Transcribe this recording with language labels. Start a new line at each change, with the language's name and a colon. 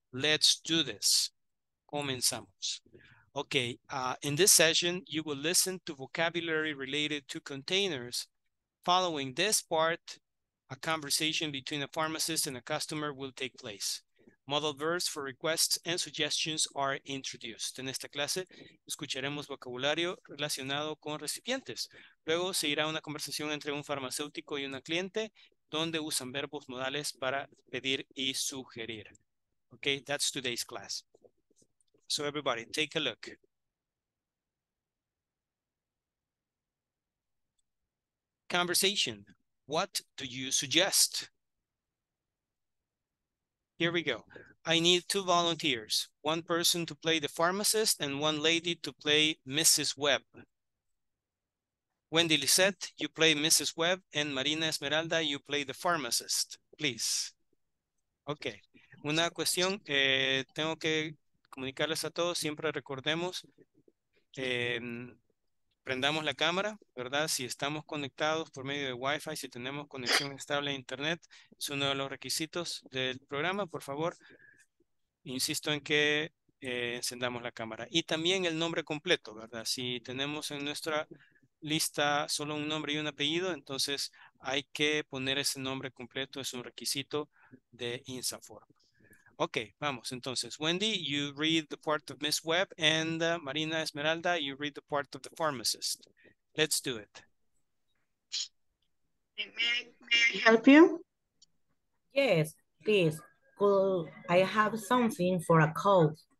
English: Let's do this. Comenzamos. Okay, in this session, you will listen to vocabulary related to containers. Following this part, a conversation between a pharmacist and a customer will take place. Model verbs for requests and suggestions are introduced.
Spanish: En esta clase, escucharemos vocabulario relacionado con recipientes. Luego, seguirá una conversación entre un farmacéutico y una cliente, donde usan verbos modales para pedir y sugerir.
English: Okay, that's today's class. So everybody, take a look. Conversation. What do you suggest? Here we go. I need 2 volunteers. 1 person to play the pharmacist and 1 lady to play Mrs. Webb. Wendy Lisette, you play Mrs. Webb, and Marina Esmeralda, you play the pharmacist, please. Okay.
Spanish: Una cuestión, tengo que comunicarles a todos, siempre recordemos Prendamos la cámara, ¿verdad? Si estamos conectados por medio de Wi-Fi, si tenemos conexión estable a Internet, es uno de los requisitos del programa. Por favor, insisto en que encendamos la cámara. Y también el nombre completo, ¿verdad? Si tenemos en nuestra lista solo un nombre y un apellido, entonces hay que poner ese nombre completo. Es un requisito de INSAFORM. Ok, vamos.
English: Entonces, Wendy, you read the part of Miss Webb, and Marina Esmeralda, you read the part of the pharmacist. Let's do it. May I help you? Yes, please. Could I have something for a cold?